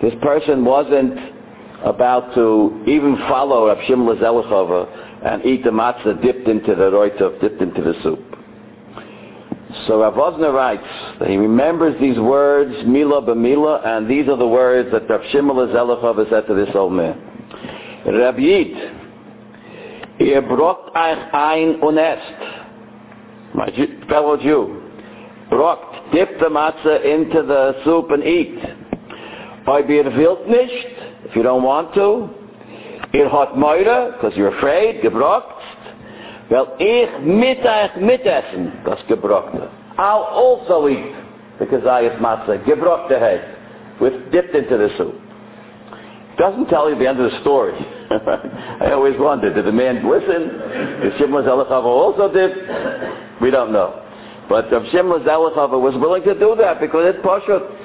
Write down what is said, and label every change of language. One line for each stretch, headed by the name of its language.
English: This person wasn't about to even follow Rav Shimla Zelichova and eat the matzah dipped into the roitov, dipped into the soup. So Rav Vozner writes that he remembers these words, Mila b'mila, and these are the words that Rav Shimla Zelichova said to this old man.
Yiddish: Rav Yid, ihr brockt euch ein und esst.
English: My fellow Jew, brockt, dip the matzah into the soup and eat.
Yiddish: Ob ihr wilt nicht,
English: if you don't want to,
Yiddish: ihr hot meure,
English: because you're afraid,
Yiddish: gebrockt, well, ich mit euch mit essen, das gebrockte.
English: I'll also eat the kazayas matzah, gebrockte head, with dipped into the soup. Doesn't tell you the end of the story. I always wondered, did the man listen? Did Shimla Zelichova also dip? We don't know. But if Shimla Zelichova was willing to do that because it's pashut.